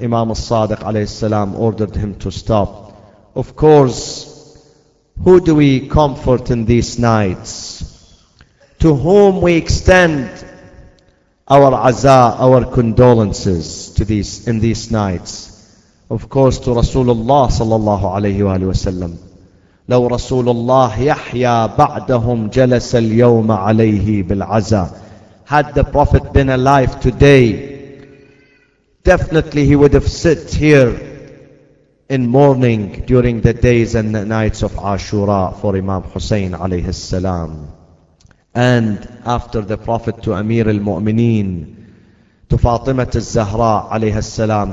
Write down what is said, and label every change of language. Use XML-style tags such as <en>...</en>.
<en>Imam al-Sadiq alayhi salam ordered him to stop. Of course, who do we comfort in these nights? To whom we extend our aza, our condolences to these nights? Of course, to Rasulullah sallallahu alayhi wa sallam.</en> <ar>لو رسول الله يحيى بعدهم جلس اليوم عليه بالعزاء.</ar> <en>Had the Prophet been alive today, definitely he would have sat here in mourning during the days and the nights of Ashura for Imam Hussein alayhi salam. And after the Prophet to Amir al-Mu'mineen, to Fatima al-Zahra alayhi salam.</en>